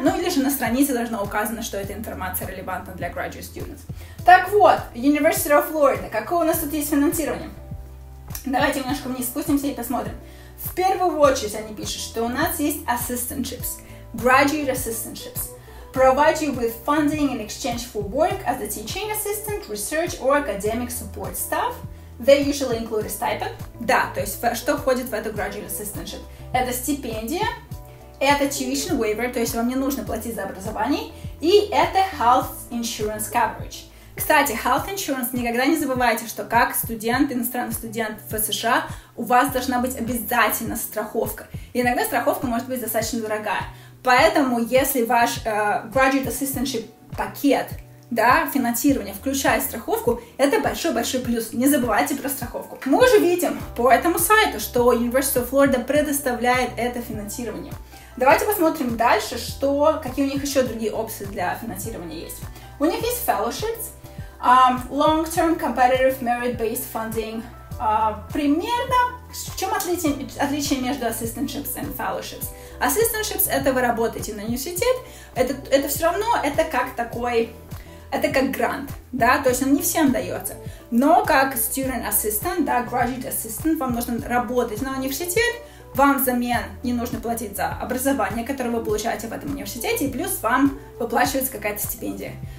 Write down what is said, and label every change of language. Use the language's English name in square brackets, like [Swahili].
[Russian] Ну или же на странице должно указано, что эта информация релевантна для graduate students. Так вот, University of Florida, какое у нас тут есть финансирование? Давайте немножко вниз спустимся и посмотрим. В первую очередь они пишут, что у нас есть assistantships, graduate assistantships. [English] Provide you with funding in exchange for work as a teaching assistant, research or academic support staff. They usually include a stipend. [Russian] Да, то есть что входит в эту graduate assistantship? Это стипендия, это tuition waiver, то есть вам не нужно платить за образование, и это health insurance coverage. Кстати, health insurance, никогда не забывайте, что как студент, иностранный студент в США, у вас должна быть обязательно страховка. И иногда страховка может быть достаточно дорогая. Поэтому, если ваш graduate assistantship пакет, да, финансирование включает страховку, это большой-большой плюс. Не забывайте про страховку. Мы уже видим по этому сайту, что University of Florida предоставляет это финансирование. Давайте посмотрим дальше, что, какие у них еще другие опции для финансирования есть. У них есть fellowships, [English] long-term competitive merit-based funding [Russian] примерно, в чем отличие между [English] assistantships and fellowships? [Russian] Assistantships — это вы работаете на университет, это все равно, это как такой, это как грант, да, то есть он не всем дается, но как student assistant, да, graduate assistant, вам нужно работать на университет, вам взамен не нужно платить за образование, которое вы получаете в этом университете, и плюс вам выплачивается какая-то стипендия.